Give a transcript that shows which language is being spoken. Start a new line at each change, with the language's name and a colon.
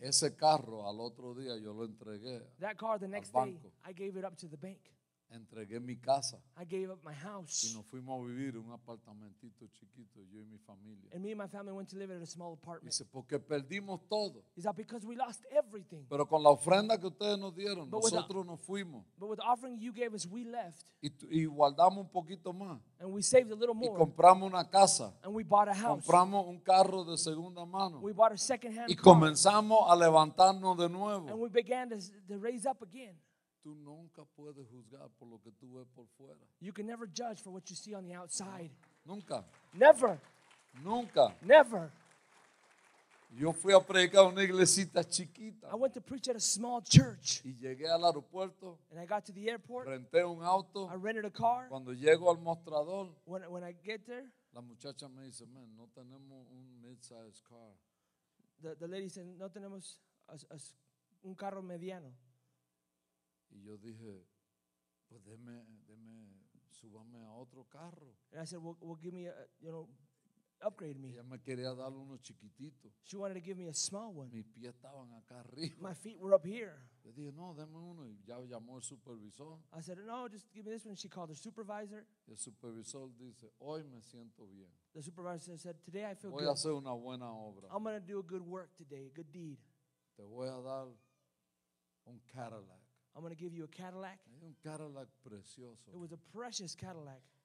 Spanish: Ese carro, al otro día, yo lo entregué al banco.
English: That car, the next day, I gave it up to the bank.
Spanish: Entregué mi casa.
English: I gave up my house.
Spanish: Y nos fuimos a vivir en un apartamentito chiquito, yo y mi familia.
English: And me and my family went to live in a small apartment.
Spanish: Dice, porque perdimos todo.
English: Is that because we lost everything?
Spanish: Pero con la ofrenda que ustedes nos dieron, but nosotros nos fuimos.
English: But with the offering you gave us, we left.
Spanish: Y guardamos un poquito más.
English: And we saved a little more.
Spanish: Y compramos una casa.
English: And we bought a house.
Spanish: Compramos un carro de segunda mano.
English: We bought a second hand
Spanish: car. Y comenzamos a levantarnos de nuevo.
English: And we began to raise up again.
Spanish: Tú nunca puedes juzgar por lo que tú ves por fuera.
English: You can never judge for what you see on the outside.
Spanish: Nunca.
English: Never.
Spanish: Nunca.
English: Never.
Spanish: Yo fui a predicar una iglesita chiquita.
English: I went to preach at a small church.
Spanish: Y llegué al aeropuerto.
English: And I got to the airport.
Spanish: Renté un auto.
English: I rented a car.
Spanish: Cuando llego al mostrador.
English: When I get there.
Spanish: La muchacha me dice, man, no tenemos un
English: mid-sized car. The lady said,
Spanish: no tenemos un carro mediano. Y yo dije, pues déme, súbame a otro carro.
English: And I said, well give me, upgrade me.
Spanish: Ella me quería dar uno chiquitito.
English: She wanted to give me a small one.
Spanish: Mis pies estaban acá arriba.
English: My feet were up here.
Spanish: Yo dije, no, déme uno. Y ya llamó el supervisor.
English: I said, no, just give me this one. She called the supervisor.
Spanish: Y el supervisor dice, hoy me siento bien.
English: The supervisor said, today I feel
Spanish: voy
English: good.
Spanish: Voy a hacer una buena obra.
English: I'm going to do a good work today, a good deed.
Spanish: Te voy a dar un Cadillac.
English: I'm going to give you a Cadillac.
Spanish: Un Cadillac precioso.
English: It was a precious Cadillac.